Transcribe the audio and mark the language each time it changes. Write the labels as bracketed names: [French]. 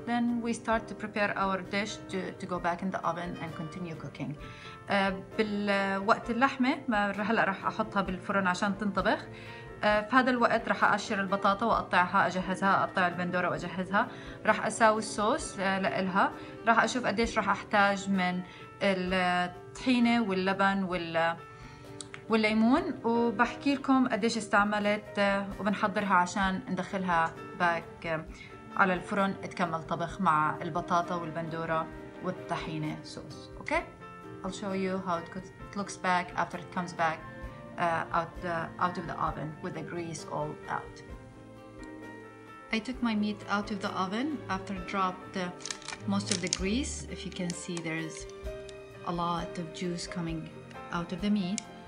[English] Then we start to prepare our dish to go back in the oven and continue cooking. [Arabic] بالوقت اللحمة هلا راح أحطها بالفرن عشان تنطبخ. في هذا الوقت راح أقشر البطاطا وأقطعها أجهزها, أقطع البندورة وأجهزها. راح أساوي الصوص لإلها. راح أشوف قديش راح أحتاج من الطحينة واللبن والليمون وبحكي لكم قديش استعملت وبنحضرها عشان ندخلها باك على الفرن تكمل طبخ مع البطاطا والبندورة والطحينة صوص. [English] Okay? I'll show you how it looks back after it comes back out of the oven with the grease all out. I took my meat out of the oven after I dropped most of the grease. If you can see, there's a lot of juice coming out of the meat.